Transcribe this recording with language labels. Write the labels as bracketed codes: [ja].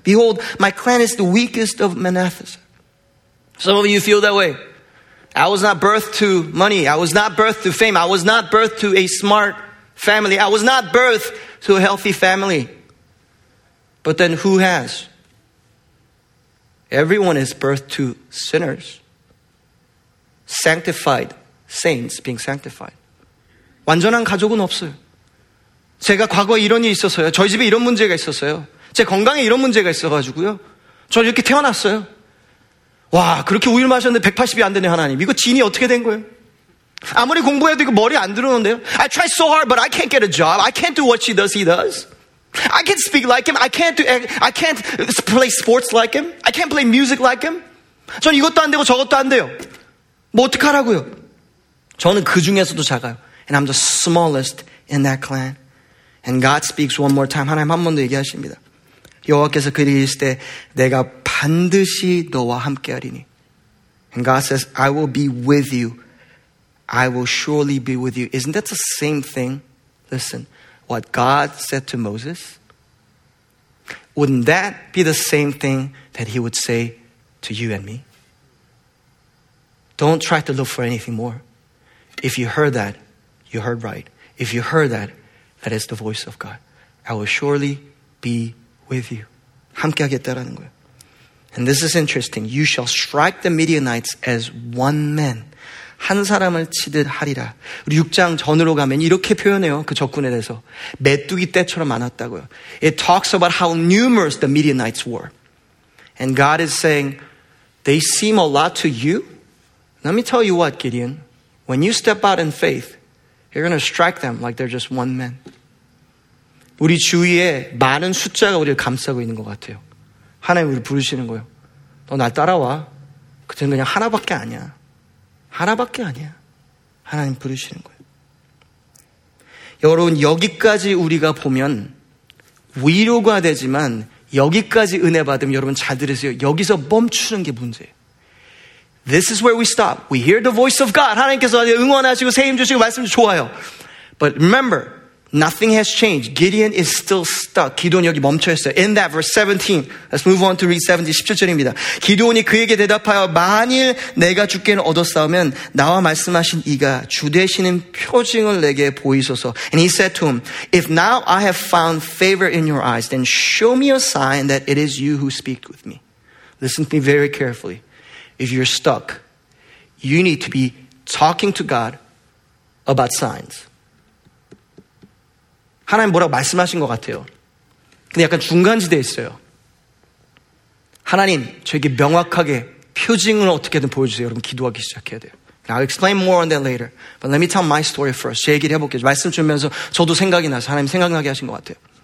[en] Behold, my clan is the weakest of Manasseh. Some of you feel that way. I was not birthed to money. I was not birthed to fame. I was not birthed to a smart family. I was not birthed to a healthy family. But then who has? Everyone is birthed to sinners. Sanctified saints being sanctified. [ko] 완전한 가족은 없어요. 제가 과거에 이런 일이 있었어요. 저희 집에 이런 문제가 있었어요. 제 건강에 이런 문제가 있어가지고요. 저 이렇게 태어났어요. 와, 그렇게 우유를 마셨는데 180이 안 되네, 하나님. 이거 진이 어떻게 된 거예요? 아무리 공부해도 이거 머리 안 들어오는데요? [en] I try so hard, but I can't get a job. I can't do what she does, he does. I can't speak like him. I can't play sports like him. I can't play music like him. [ko] 전 이것도 안 되고 저것도 안 돼요. 뭐 어떡하라고요? 저는 그 중에서도 작아요. [en] And I'm the smallest in that clan. And God speaks one more time. [ko] 하나님 한 번 더 얘기하십니다. 여호와께서 그리시되 때 내가 반드시 너와 함께하리니. [en] And God says, I will be with you. I will surely be with you. Isn't that the same thing? Listen, what God said to Moses, wouldn't that be the same thing that he would say to you and me? Don't try to look for anything more. If you heard that, you heard right. If you heard that, that is the voice of God. I will surely be with you. [ko] 함께 하겠다라는 거예요. [en] And this is interesting. You shall strike the Midianites as one man. [ko] 한 사람을 치듯 하리라. 우리 6장 전으로 가면 이렇게 표현해요. 그 적군에 대해서. 메뚜기 떼처럼 많았다고요. [en] It talks about how numerous the Midianites were. And God is saying, they seem a lot to you. Let me tell you what, Gideon. When you step out in faith, you're going to strike them like they're just one man. [ko] 우리 주위에 많은 숫자가 우리를 감싸고 있는 것 같아요. 하나님 우리 부르시는 거예요. 너 나 따라와. 그땐 그냥 하나밖에 아니야. 하나밖에 아니야. 하나님 부르시는 거예요. 여러분 여기까지 우리가 보면 위로가 되지만 여기까지 은혜 받으면 여러분 잘 들으세요. 여기서 멈추는 게 문제예요. [en] This is where we stop. We hear the voice of God. [ko] 하나님께서 응원하시고 새 힘 주시고 말씀 좋아요. [en] But remember, nothing has changed. Gideon is still stuck. [ko] 기드온 여기 멈춰 있어요. [en] In that verse 17, let's move on to read 17, [ko] 17절입니다. 기드온이 그에게 대답하여 만일 내가 주께는 얻었사오면 나와 말씀하신 이가 주되시는 표징을 내게 보이소서. [en] And he said to him, if now I have found favor in your eyes, then show me a sign that it is you who speak with me. Listen to me very carefully. If you're stuck, you need to be talking to God about signs. [ko] 하나님 뭐라고 말씀하신 것 같아요. 근데 약간 중간지대에 있어요. 하나님, 저에게 명확하게 표징을 어떻게든 보여주세요. 여러분 기도하기 시작해야 돼요. [en] I'll explain more on that later. But let me tell my story first. [ko] 제 얘기를 해볼게요. 말씀 주면서 저도 생각이 나서 하나님 생각나게 하신 것 같아요.